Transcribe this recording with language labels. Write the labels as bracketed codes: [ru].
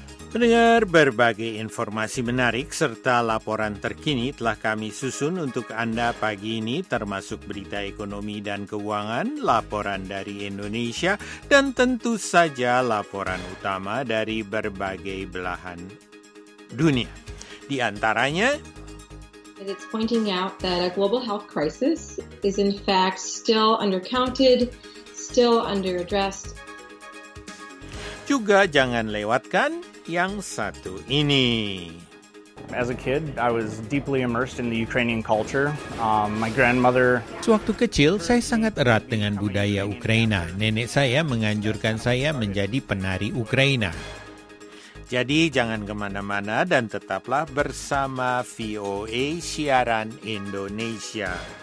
[id] Mendengar berbagai informasi menarik serta laporan terkini telah kami susun untuk Anda pagi ini, termasuk berita ekonomi dan keuangan, laporan dari Indonesia, dan tentu saja laporan utama dari berbagai belahan dunia. Di antaranya, [en] it's pointing out that a global health crisis is in fact still undercounted, still underaddressed. [id] Juga jangan lewatkan yang satu ini. [en] As a kid, I was deeply immersed in the Ukrainian culture. My grandmother. [id] Sewaktu kecil, saya sangat erat dengan budaya Ukraina. Nenek saya menganjurkan saya menjadi penari Ukraina. Jadi jangan kemana-mana dan tetaplah bersama VOA Siaran Indonesia.